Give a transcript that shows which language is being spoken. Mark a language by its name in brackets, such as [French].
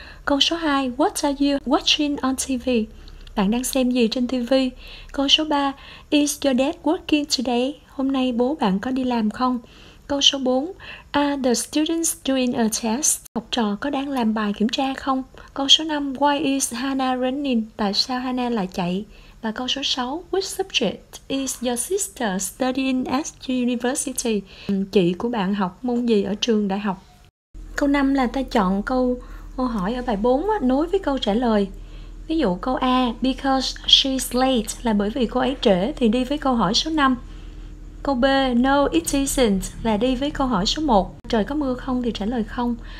[Vietnamese] Câu số 2, [English] what are you watching on TV, [Vietnamese] bạn đang xem gì trên TV? Câu số 3, [English] is your dad working today, [Vietnamese] hôm nay bố bạn có đi làm không? Câu số 4, [English] are the students doing a test? [Vietnamese] Học trò có đang làm bài kiểm tra không? Câu số 5, [English] why is Hannah running? [Vietnamese] Tại sao Hannah lại chạy? Và câu số 6, [English] which subject is your sister studying at university? [Vietnamese] Chị của bạn học môn gì ở trường đại học? Câu 5 là ta chọn câu hỏi ở bài 4 á, nối với câu trả lời. Ví dụ câu A, [English] because she's late, [Vietnamese] là bởi vì cô ấy trễ, thì đi với câu hỏi số 5. Câu B, [English] no it isn't, [Vietnamese] là đi với câu hỏi số 1, trời có mưa không thì trả lời không.